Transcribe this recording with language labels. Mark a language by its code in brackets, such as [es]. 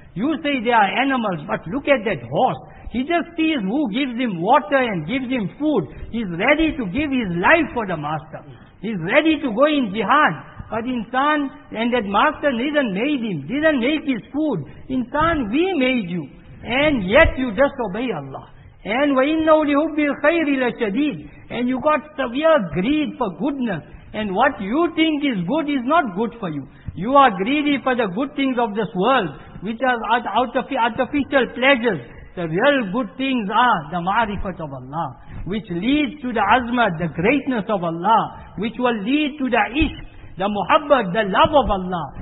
[en] You say they are animals, but look at that horse. He just sees who gives him water and gives him food. He's ready to give his life for the master. He's ready to go in jihad. But insan, and that master didn't made him, didn't make his food. Insan, we made you. And yet you disobey Allah. [ar] And وَإِنَّهُ لِهُبِّ الْخَيْرِ لَشَدِيدٍ. [en] And you got severe greed for goodness. And what you think is good is not good for you. You are greedy for the good things of this world, which are artificial pleasures. The real good things are the ma'rifat of Allah, which leads to the azmat, the greatness of Allah, which will lead to the ishq, the muhabbat, the love of Allah.